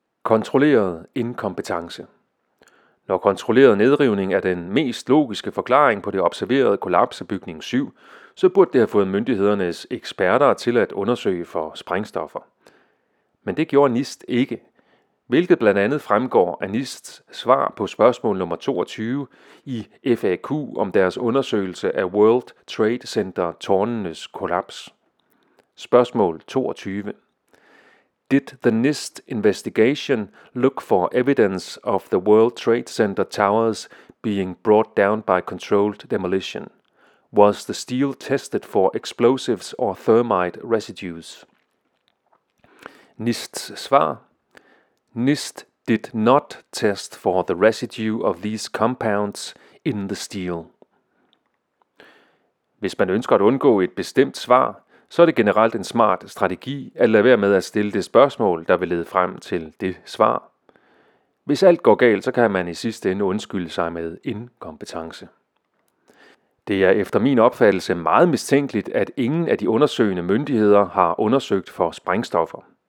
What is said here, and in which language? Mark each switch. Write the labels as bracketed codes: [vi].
[da] Kontrolleret inkompetence. Når kontrolleret nedrivning er den mest logiske forklaring på det observerede kollaps af bygning 7, så burde det have fået myndighedernes eksperter til at undersøge for sprængstoffer. Men det gjorde NIST ikke, hvilket blandt andet fremgår af NISTs svar på spørgsmål nummer 22 i FAQ om deres undersøgelse af World Trade Center tårnenes kollaps. Spørgsmål 22. [en] Did the NIST investigation look for evidence of the World Trade Center towers being brought down by controlled demolition? Was the steel tested for explosives or thermite residues? NIST's [da] svar. [en] NIST did not test for the residue of these compounds in the steel. [da] Hvis man ønsker at undgå et bestemt svar, så er det generelt en smart strategi at lade være med at stille det spørgsmål, der vil lede frem til det svar. Hvis alt går galt, så kan man i sidste ende undskylde sig med inkompetence. Det er efter min opfattelse meget mistænkeligt, at ingen af de undersøgende myndigheder har undersøgt for sprængstoffer.